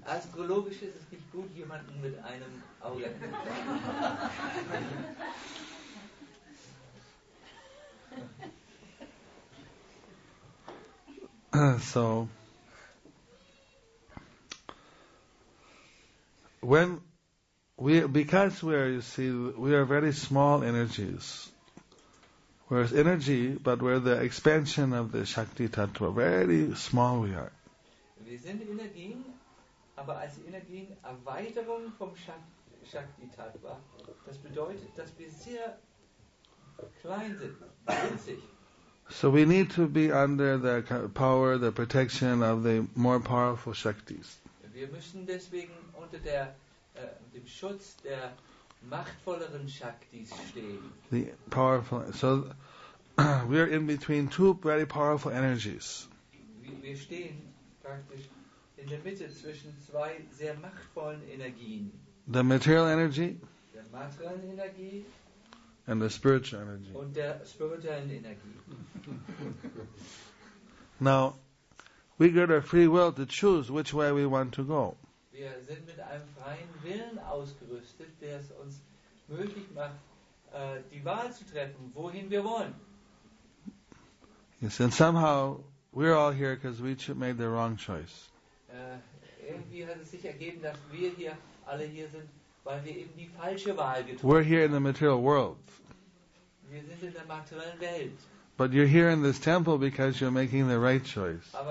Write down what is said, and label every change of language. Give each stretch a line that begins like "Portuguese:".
German: Astrologisch ist es nicht gut, jemanden mit einem Auge. So.
English: When we, because we are, you see, we are very small energies. where it's energy, but where the expansion of the Shakti Tattva, very small we are.
German: Wir sind Energien, aber als Energien Erweiterung vom Shakti Tattva. Das bedeutet, dass wir sehr klein sind, winzig.
English: So we need to be under the power, the protection of the more powerful Shaktis.
German: Wir müssen deswegen unter der dem Schutz der machtvolleren Shaktis stehen.
English: The powerful. So we are in between two very powerful energies.
German: Wir stehen praktisch in der Mitte zwischen zwei sehr machtvollen Energien.
English: The material energy.
German: Der materiellen Energie.
English: And the spiritual energy.
German: Und der spirituellen Energie.
English: Now, we get a free will to choose which way we want to go.
German: Wir sind mit einem freien Willen ausgerüstet, der es uns möglich macht, die Wahl zu treffen, wohin wir wollen.
English: Yes, and somehow we're all here because we made the wrong choice.
German: Irgendwie hat es sich ergeben, dass wir hier alle hier sind, weil wir eben die falsche Wahl getroffen haben.
English: We're here in the material world.
German: Wir sind in der materiellen Welt.
English: But you're here in this temple because you're making the right choice.